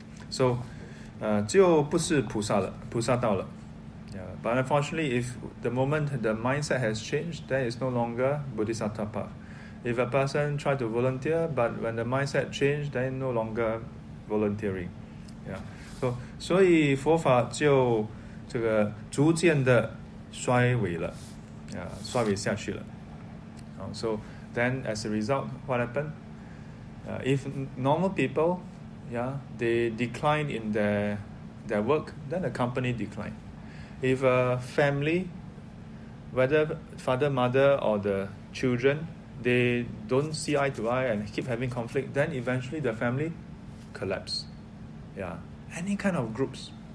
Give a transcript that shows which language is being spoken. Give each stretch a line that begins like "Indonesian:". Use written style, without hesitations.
Chinese: So, 就不是菩萨道了.Yeah.
English: But unfortunately, if the moment the mindset has changed, then it's no longer bodhisattva path. If a person tried to volunteer, but when the mindset changed, then no longer volunteering. Yeah.
Chinese: So, 所以佛法就这个逐渐的衰微了, 衰微下去了.
English: So then as a result, what happened? If normal people, they decline in their work, then the company decline. If a family, whether father, mother, or the children, they don't see eye to eye and keep having conflict, then eventually the family collapse. Any kind of groups.